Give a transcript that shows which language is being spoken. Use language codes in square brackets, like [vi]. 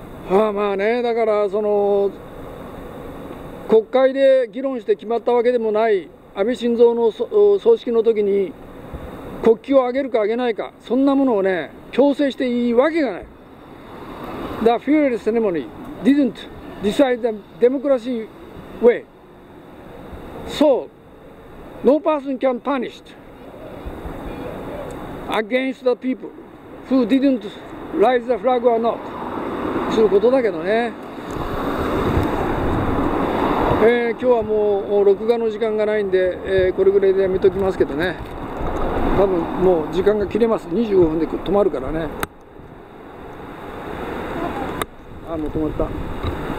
[ja] ああまあね、だからその国会で議論して決まったわけでもない安倍晋三の葬式の時に国旗を上げるか上げないか、そんなものをね強制していいわけがない。 [en] The funeral ceremony didn't decide the democracy way, so no person can punish against the people who didn't raise the flag or not [ja] することだけどね。今日はもう録画の時間がないんで、これぐらいでやめときますけどね。多分もう時間が切れます。25分で止まるからね。あ、もう止まった。